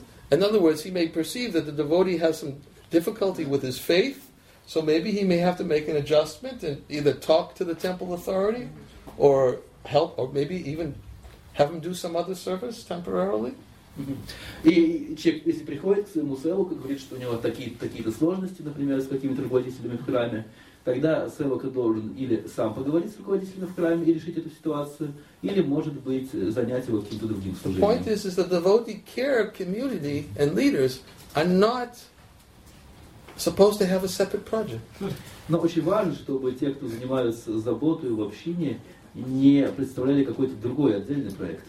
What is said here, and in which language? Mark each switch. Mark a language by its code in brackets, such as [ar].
[en] In other words, he may perceive that the devotee has some difficulty with his faith, so maybe he may have to make an adjustment and either talk to the temple authority, or help, or maybe even have him do some other service temporarily. [ru] И человек, если приходит к своему севака, говорит, что у него такие-то сложности, например, с какими-то руководителями в храме, тогда севака должен или сам поговорить с руководителями в храме и решить эту ситуацию, или, может быть, занять его каким-то другим служением. [en] The point is that the devotee care community and leaders are not supposed to have a separate project. [ru] Но очень важно, чтобы те, кто занимаются заботой в общине, не представляли какой-то другой отдельный проект.